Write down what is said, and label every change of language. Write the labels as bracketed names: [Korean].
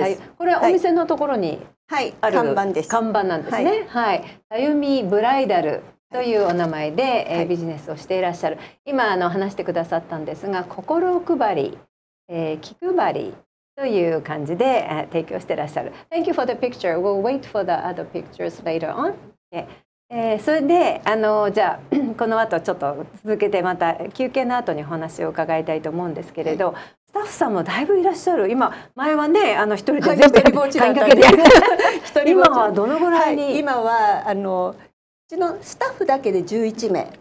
[Japanese] はい、これはお店のところにある、はいはい、看板です、看板なんですね、はい、さゆみブライダルというお名前で、はい、ビジネスをしていらっしゃる、今話してくださったんですが、心配り、気配りという感じで、提供していらっしゃる。 [English] Thank you for the picture. We'll wait for the other pictures later on、okay。 [Japanese] それでじゃあこの後ちょっと続けてまた休憩の後にお話を伺いたいと思うんですけれど、はい、スタッフさんもだいぶいらっしゃる、今前はね一人で全部一人ぼっちだったんで今はどのぐらいに、はい、今はうちのスタッフだけで11名、